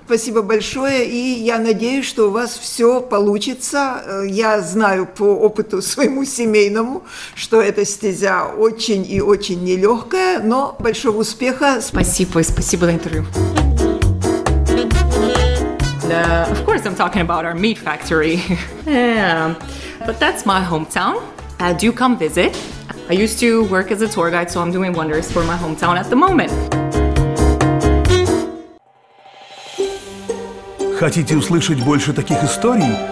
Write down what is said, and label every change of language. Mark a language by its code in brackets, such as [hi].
[ru] Спасибо большое, и я надеюсь, что у вас все получится. Я знаю по опыту своему семейному, что эта стезя очень и очень нелегкая, но большого успеха. Спасибо, и спасибо за интервью. [en] Of course, I'm talking about our meat factory. Yeah. But that's my hometown. Do come visit. I used to work as a tour guide, so I'm doing wonders for my hometown at the moment. [ru] Хотите услышать больше таких историй?